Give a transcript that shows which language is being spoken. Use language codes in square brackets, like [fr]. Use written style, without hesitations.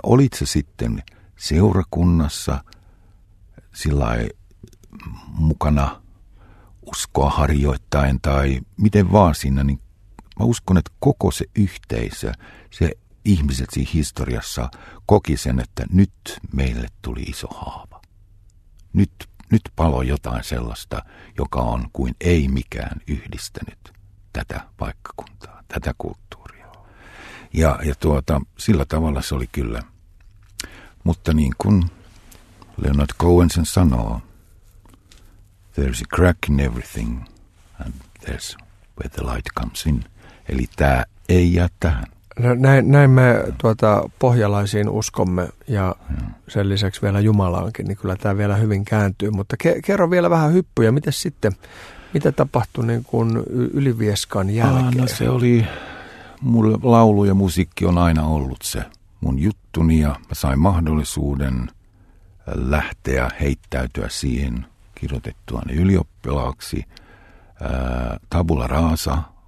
[fi] Olit se sitten seurakunnassa sillä mukana uskoa harjoittain tai miten vaan siinä, niin mä uskon, että koko se yhteisö, se ihmiset siinä historiassa koki sen, että nyt meille tuli iso haava. Nyt paloi jotain sellaista, joka on kuin ei mikään yhdistänyt tätä paikkakuntaa, tätä kulttuuria. Ja sillä tavalla se oli kyllä. Mutta niin kuin Leonard Cohen sen sanoo, [en] there's a crack in everything and there's where the light comes in. [fi] Eli tämä ei jää tähän. No, näin me pohjalaisiin uskomme ja sen lisäksi vielä Jumalaankin, niin kyllä tämä vielä hyvin kääntyy. Mutta kerro vielä vähän hyppyjä. Miten sitten, mitä tapahtui niin kuin Ylivieskan jälkeen? No se oli, mun laulu ja musiikki on aina ollut se mun juttuni ja mä sain mahdollisuuden lähteä heittäytyä siihen kirjoitettuani ylioppilaaksi. Tabula rasa.